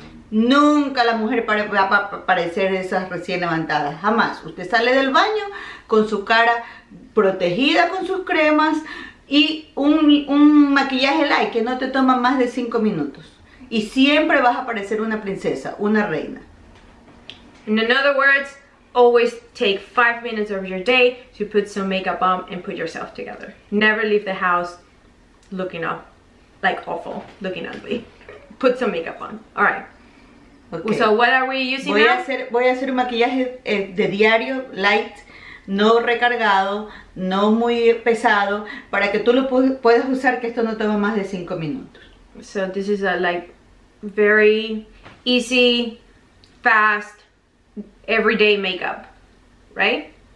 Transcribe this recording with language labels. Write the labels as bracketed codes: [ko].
[es] Nunca la mujer va a parecer esas recién levantadas, jamás. Usted sale del baño con su cara protegida con sus cremas y un maquillaje light que no te toma más de 5 minutos. Y siempre vas a parecer una princesa, una reina. [en] In other words, always take 5 minutes of your day to put some makeup on and put yourself together. Never leave the house looking up, like awful, looking ugly. Put some makeup on. All right. Okay. So what are we using now? [es] Voy a hacer un maquillaje de diario, light, no recargado, no muy pesado, para que tú lo puedas usar, que esto no toma más de 5 minutos. [en] So this is a like very easy, fast, everyday makeup, right?